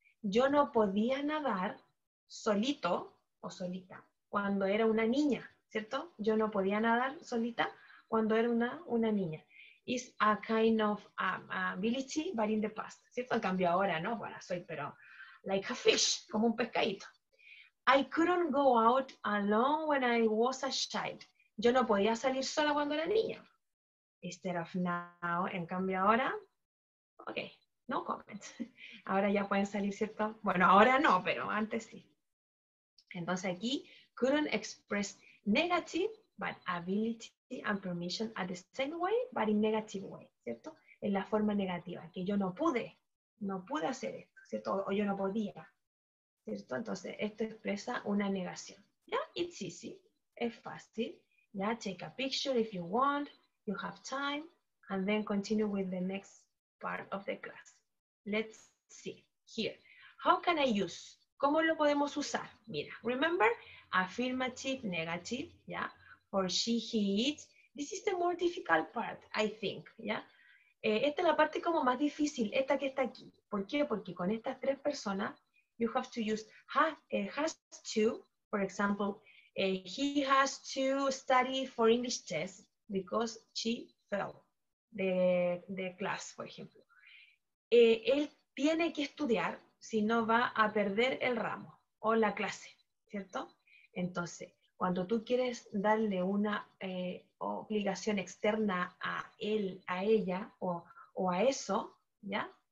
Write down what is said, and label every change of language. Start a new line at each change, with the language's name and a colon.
Spanish: Yo no podía nadar solito o solita cuando era una niña, ¿cierto? Yo no podía nadar solita cuando era una niña.
English: It's a kind of ability, but in the past,
Spanish: ¿cierto? En cambio ahora, ¿no? Bueno, soy, pero
English: like a fish,
Spanish: como un pescadito.
English: I couldn't go out alone when I was a child.
Spanish: Yo no podía salir sola cuando era niña.
English: Instead of now,
Spanish: en cambio ahora,
English: ok, no comment.
Spanish: Ahora ya pueden salir, ¿cierto? Bueno, ahora no, pero antes sí.
English: Entonces aquí, couldn't express negative, but ability and permission at the same way, but in negative way, ¿cierto?
Spanish: En la forma negativa, que yo no pude hacer esto, ¿cierto? O yo no podía. ¿Cierto? Entonces, esto expresa una negación. ¿Ya?
English: It's easy.
Spanish: Es fácil. ¿Ya?
English: Take a picture if you want. You have time. And then continue with the next part of the class. Let's see. Here. How can I use?
Spanish: ¿Cómo lo podemos usar?
English: Mira, remember, affirmative, negative. ¿Ya? For she, he, it. This is the more difficult part, I think. Yeah?
Spanish: Esta es la parte como más difícil, esta que está aquí. ¿Por qué? Porque con estas tres personas,
English: you have to use has to, for example, he has to study for English test because she fell the class, for example.
Spanish: Él tiene que estudiar, si no va a perder el ramo o la clase, ¿cierto? Entonces, cuando tú quieres darle una obligación externa a él, a ella o a eso, ¿ya?